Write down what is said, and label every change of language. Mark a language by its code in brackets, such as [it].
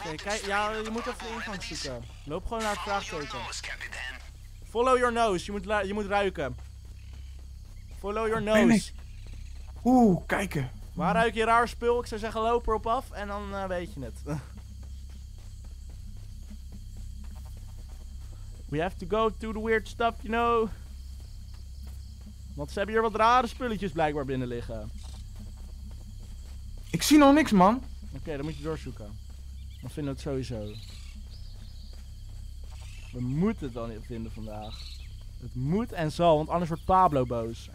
[nl] Oké, kijk, ja, je moet even de ingang zoeken. Loop gewoon naar het vraagteken. [en] Follow your nose, [nl] je moet ruiken. [en] Follow your nose. [nl] Nee, nee. Oeh, kijken. Waar ruik je raar spul? Ik zou zeggen, loop erop af en dan weet je het. [en] We have to go to the weird stuff, you know. [nl] Want ze hebben hier wat rare spulletjes blijkbaar binnen liggen. Ik zie nog niks, man. Oké, dan moet je doorzoeken. Dan vinden we het sowieso. We moeten het dan vinden vandaag. Het moet en zal, want anders wordt Pablo boos.